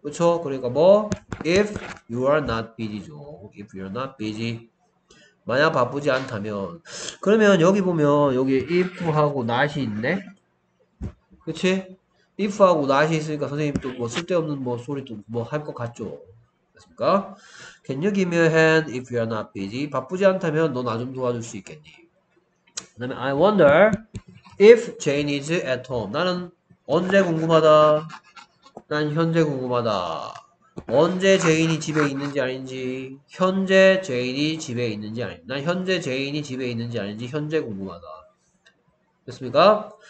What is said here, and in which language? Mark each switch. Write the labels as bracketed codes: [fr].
[ko] 그렇죠? 그러니까 뭐? [en] If you are not busy죠. If you're not busy. [ko] 만약 바쁘지 않다면. 그러면 여기 보면 여기 if하고 not이 있네. 그렇지? if하고 not이 있으니까 선생님 또뭐 쓸데없는 뭐 소리 또뭐할것 같죠? 됐습니까? [en] Can you give me a hand if you're not busy? [ko] 바쁘지 않다면 너나좀 도와줄 수 있겠니? 그 다음에 [en] I wonder if Jane is at home. [ko] 나는 언제 궁금하다. 난 현재 궁금하다. 언제 제인이 집에 있는지 아닌지, 현재 제인이 집에 있는지 아닌지, 난 현재 제인이 집에 있는지 아닌지 현재 궁금하다. 됐습니까?